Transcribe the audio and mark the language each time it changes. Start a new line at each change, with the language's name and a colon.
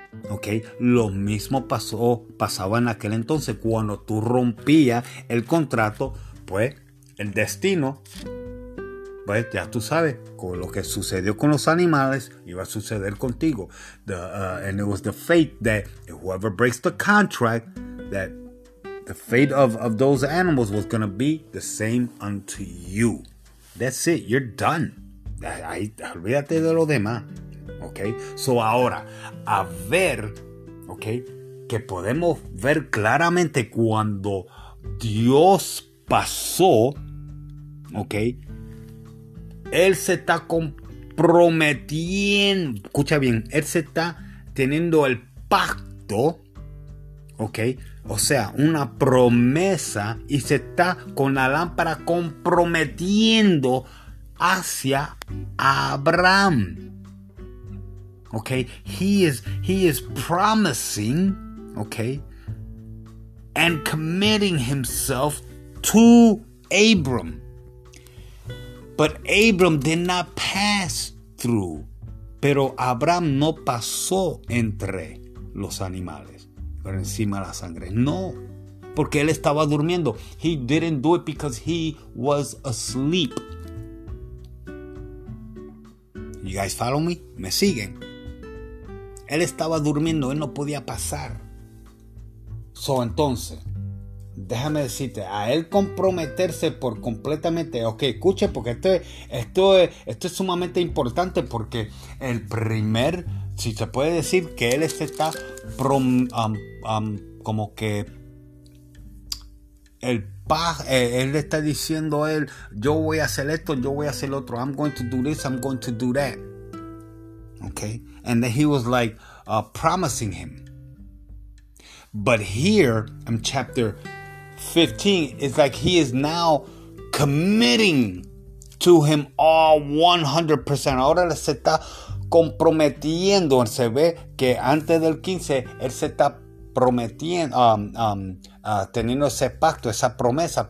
Spanish: Okay, lo mismo pasaba en aquel entonces cuando tú rompías el contrato, pues el destino, pues ya tú sabes, con lo que sucedió con los animales iba a suceder contigo.
English: And it was the fate that whoever breaks the contract, that the fate of those animals was going to be the same unto you. That's it, you're done.
Spanish: Ahí, olvídate de lo demás. Okay, so ahora, a ver, okay, que podemos ver claramente cuando Dios pasó, okay, Él se está comprometiendo, escucha bien, Él se está teniendo el pacto, okay, o sea, una promesa, y se está con la lámpara comprometiendo hacia Abraham.
English: Okay, he is promising, okay, and committing himself to Abram. But Abram did not pass through.
Spanish: Pero Abraham no pasó entre los animales, por encima de la sangre. No, porque él estaba durmiendo.
English: He didn't do it because he was asleep. You guys follow me?
Spanish: Me siguen. Él estaba durmiendo, él no podía pasar. So, entonces, déjame decirte, a él comprometerse por completamente, ok, escuche, porque esto es sumamente importante, porque el primer, si se puede decir que él se está como que el él le está diciendo a él, yo voy a hacer esto, yo voy a hacer lo otro,
English: I'm going to do this, I'm going to do that. Okay, and then he was like promising him. But here in chapter 15, it's like he is now committing to him all 100%.
Spanish: Ahora se está comprometiendo. Se ve que antes del 15, él se está prometiendo, teniendo ese pacto, esa promesa.